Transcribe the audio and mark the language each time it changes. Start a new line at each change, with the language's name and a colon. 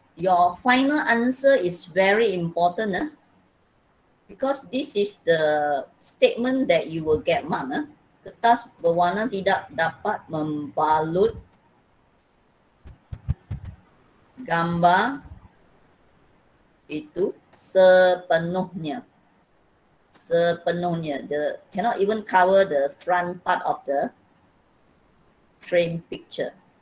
English: Your final answer is very important because this is the statement that you will get mark.
Malay: Kertas berwarna tidak dapat membalut gambar itu sepenuhnya. Sepenuhnya.
English: The cannot even cover the front part of the frame picture.